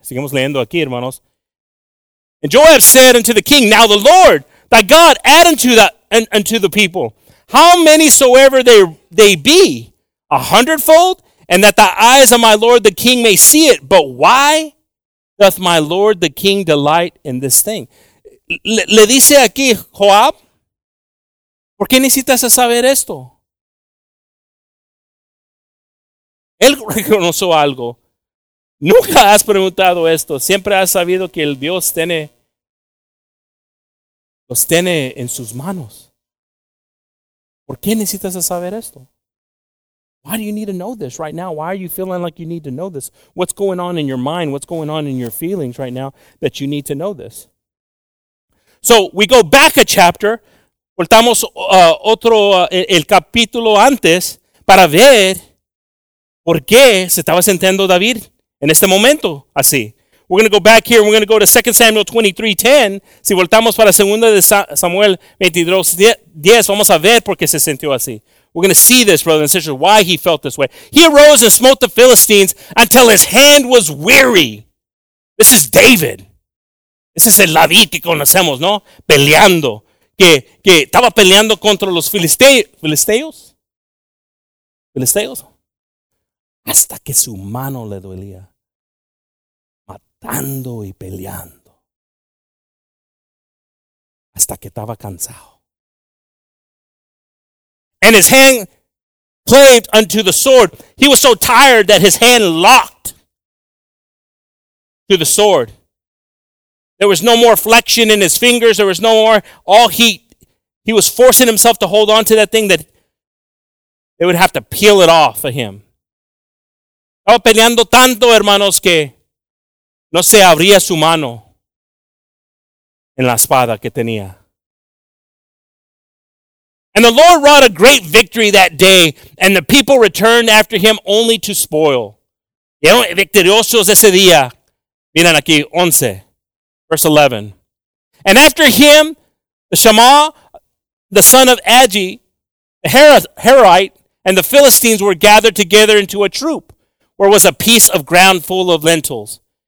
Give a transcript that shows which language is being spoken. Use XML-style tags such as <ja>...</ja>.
<es>Seguimos leyendo aquí, hermanos.</es> <en>And Joab said unto the king, now the Lord, thy God, add unto the people, how many soever they be, 100-fold, and that the eyes of my lord the king may see it. But why doth my lord the king delight in this thing?</en> <es>Le dice aquí, Joab, ¿por qué necesitas saber esto? Él reconoció algo. Nunca has preguntado esto. Siempre has sabido que el Dios los tiene en sus manos. ¿Por qué necesitas saber esto?</es> <en>Why do you need to know this right now? Why are you feeling like you need to know this? What's going on in your mind? What's going on in your feelings right now that you need to know this? So we go back a chapter.</en> <es>Voltamos el capítulo antes para ver por qué se estaba sintiendo David en este momento así.</es> <en>We're going to go back here. We're going to go to 2 Samuel 23:10.</en> <es>Si voltamos para 2 Samuel 22:10, vamos a ver por qué se sintió así.</es> <en>We're going to see this, brothers and sisters, why he felt this way. He arose and smote the Philistines until his hand was weary. This is David. This is</en> <es>el David que conocemos, ¿no? Peleando. Que estaba peleando contra los filisteos. ¿Filisteos? Hasta que su mano le dolía. Matando y peleando. Hasta que estaba cansado.</es> <en>And his hand clave unto the sword. He was so tired that his hand locked to the sword. There was no more flexion in his fingers. There was no more all heat. He was forcing himself to hold on to that thing that they would have to peel it off of him.</en> <es>Estaba peleando tanto, hermanos, que no se abría su mano en la espada que tenía.</es> <en>And the Lord wrought a great victory that day, and the people returned after him only to spoil.</en> <es>Victoriosos ese día. Miren aquí, 11,</es> <en>verse 11. And after him, the Shema, the son of Agi, the Herite, and the Philistines were gathered together into a troop, where was a piece of ground full of lentils.</en>